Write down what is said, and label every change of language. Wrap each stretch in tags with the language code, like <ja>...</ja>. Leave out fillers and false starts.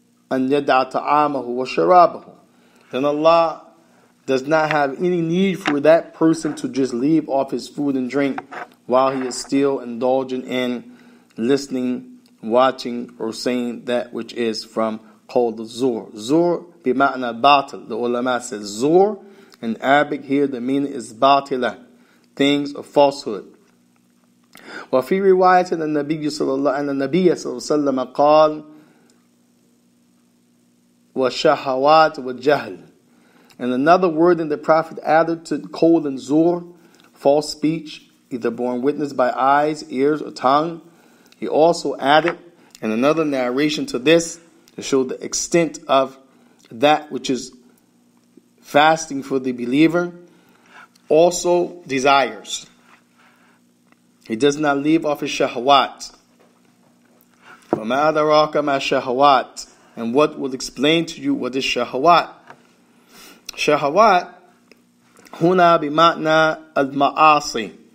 <ar>أَنْ يَدْعَ تَعَامَهُ وَشَرَابَهُ,</ar> <en>then Allah does not have any need for that person to just leave off his food and drink while he is still indulging in listening, watching, or saying that which is from called the Zur.</en> <ar>Zur bima'na batil.</ar> <en>The ulama says Zur In Arabic here, the meaning is batila, things of falsehood.</en> <ar>وفي رواية النبي صلى الله عليه وسلم قال والشهوات والجهل.</ar> <en>And another word in the Prophet added to kol and zur, false speech, either borne witness by eyes, ears, or tongue. He also added in another narration to this to show the extent of that which is fasting for the believer, also desires. He does not leave off his shahwat.</en> <ar>فَمَا أَدْرَاكَ مَا شَهَوَاتِ.</ar> <en>And what will explain to you what is shahwat?</en> <ar>Shahwat, هُنَا بِمَعْنَى الْمَعَاصِ.</ar>